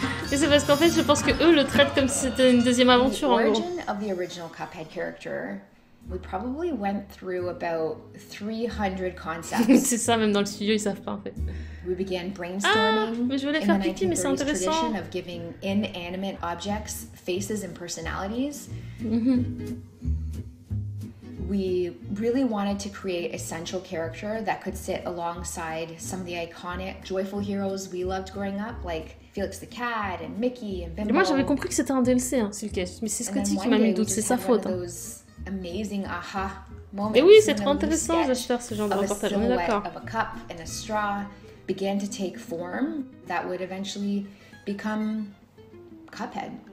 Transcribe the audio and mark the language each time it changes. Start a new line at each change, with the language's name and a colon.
French: Et c'est parce qu'en fait, je pense que eux le traitent comme si c'était une deuxième aventure, en gros.
English: L'origine of the original Cuphead character, we probably went through about 300 concepts.
French: C'est ça, même dans le studio, ils savent pas, en fait.
English: We began brainstorming.
French: Ah, mais je voulais faire pipi, mais c'est intéressant.
English: In the 1930s tradition of giving inanimate objects faces and personalities, We really wanted to create a central character that could sit alongside some of the iconic joyful heroes we loved growing up, like Felix the Cat and Mickey and Bimbo.
French: Et moi j'avais compris que c'était un DLC, hein, c'est le cas. Mais c'est Scotty qui m'a mis le doute, c'est sa faute.
English: Hein. Those amazing aha moments.
French: Et oui, c'est trop intéressant, j'espère, ce genre de reportage. On est d'accord.
English: Of a cup and a straw began to take form that would eventually become Cuphead.